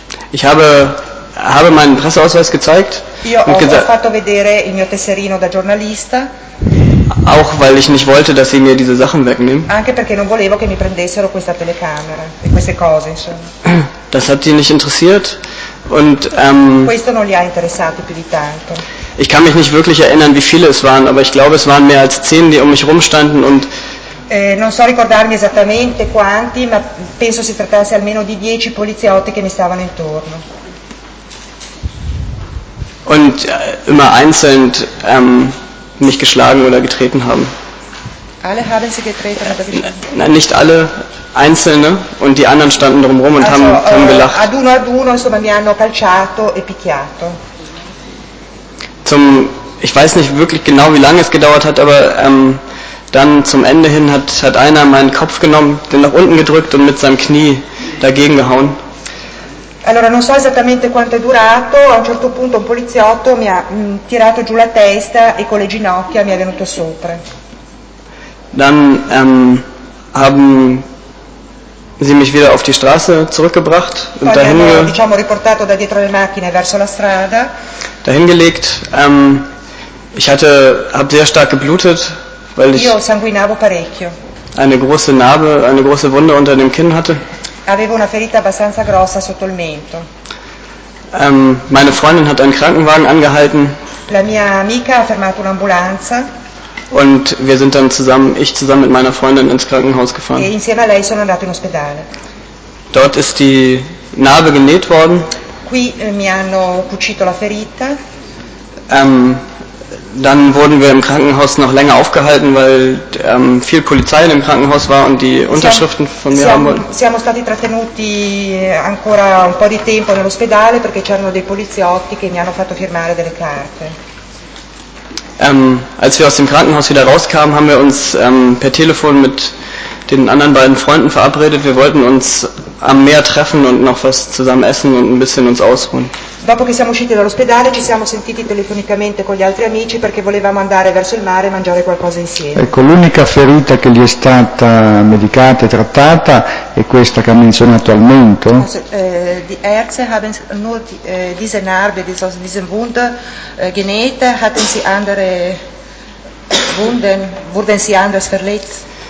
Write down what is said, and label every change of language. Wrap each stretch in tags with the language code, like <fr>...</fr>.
<de>Ich habe meinen Presseausweis gezeigt.</de> <it>Io und ho fatto vedere il mio tesserino da giornalista.</it> <de>Auch weil ich nicht wollte, dass sie mir diese Sachen wegnehmen.</de> <it>Anche perché non volevo che mi prendessero questa telecamera e queste cose, insomma.</it> <de>Das hat sie nicht interessiert und</de> <it>questo non li ha interessati più di tanto.</it> <de>Ich kann mich nicht wirklich erinnern, wie viele es waren, aber ich glaube, es waren mehr als 10, die um mich rumstanden und</de> <it>non so ricordarmi esattamente quanti, ma penso si trattasse almeno di 10 poliziotti che mi stavano intorno.</it> <de>Und immer einzeln mich geschlagen oder getreten haben. Alle haben sie getreten oder geschlagen? Nein, nicht alle, einzelne, und die anderen standen drumherum und also, haben gelacht.</de> <it>Ad uno, insomma, mi hanno calciato e picchiato.</it> <de>Ich weiß nicht wirklich genau, wie lange es gedauert hat, aber dann zum Ende hin hat einer meinen Kopf genommen, den nach unten gedrückt und mit seinem Knie dagegen gehauen.</de> <it>Allora, non so esattamente quanto è durato, a un certo punto un poliziotto mi ha tirato giù la testa e con le ginocchia mi è venuto sopra.</it> <de>Dann haben sie mich wieder auf die Straße zurückgebracht</de> <it>poi</it> <de>und dahin</de> <it>hanno, diciamo, riportato da dietro le macchine verso la strada.</it> <de>Dahingelegt. Ich habe sehr stark geblutet, weil</de> <it>io sanguinavo parecchio.</it> <de>Eine große Narbe, eine große Wunde unter dem Kinn hatte.</de> <it>Avevo una ferita abbastanza grossa sotto il mento.</it> <de>Meine Freundin hat einen Krankenwagen angehalten.</de> <it>La mia amica ha fermato un'ambulanza.</it> <de>Und wir sind dann zusammen mit meiner Freundin ins Krankenhaus gefahren.</de> <it>E insieme a lei sono andato in ospedale.</it> <de>Dort ist die Narbe genäht worden.</de> <it>Qui mi hanno cucito la ferita.</it> <de>Dann wurden wir im Krankenhaus noch länger aufgehalten, weil viel Polizei im Krankenhaus war und die Unterschriften von mir haben wollten.</de> <it>Siamo stati trattenuti ancora un po' di tempo nell'ospedale perché c'erano dei poliziotti che mi hanno fatto firmare delle carte.</it> <de>Als wir aus dem Krankenhaus wieder rauskamen, haben wir uns per Telefon mit den anderen beiden Freunden verabredet. Wir wollten uns am Meer treffen und noch was zusammen essen und ein bisschen uns ausruhen.</de> <it>Dopo che siamo usciti dall'ospedale, ci siamo sentiti telefonicamente con gli altri amici perché volevamo andare verso il mare e mangiare qualcosa insieme. Ecco, l'unica ferita che gli è stata medicata e trattata è questa che ha menzionato al mento.</it> <de>Die Ärzte haben nur diese Narbe, diesen Wund genäht. Hatten Sie andere Wunden? Wurden Sie anders verletzt?</de>